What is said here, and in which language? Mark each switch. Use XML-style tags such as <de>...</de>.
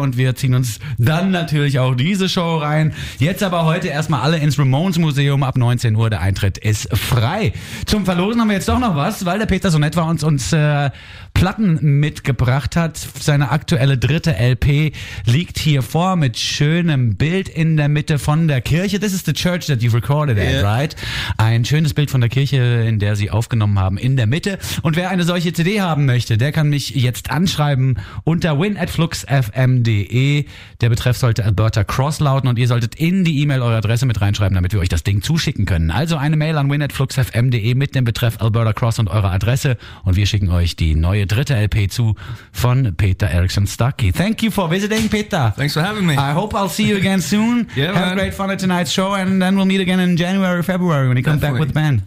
<de>Und wir ziehen uns dann natürlich auch diese Show rein. Jetzt aber heute erstmal alle ins Ramones Museum. Ab 19 Uhr, der Eintritt ist frei. Zum Verlosen haben wir jetzt doch noch was, weil der Peter so nett war, uns Platten mitgebracht hat. Seine aktuelle dritte LP liegt hier vor mit schönem Bild in der Mitte von der Kirche.</de> <en>This is the church that you've recorded in, right?</en> <de>Ein schönes Bild von der Kirche, in der sie aufgenommen haben, in der Mitte. Und wer eine solche CD haben möchte, der kann mich jetzt anschreiben unter win@fluxfm.de. Der Betreff sollte Alberta Cross lauten und ihr solltet in die E-Mail eure Adresse mit reinschreiben, damit wir euch das Ding zuschicken können. Also eine Mail an win@fluxfm.de mit dem Betreff Alberta Cross und eurer Adresse und wir schicken euch die neue dritte LP zu von Peter Eriksson Stucky.</de> <en>Thank you for visiting, Peter. Thanks for having me. I hope I'll see you again soon. Have great fun at tonight's show and then we'll meet again in January or February when you come back with the band.</en>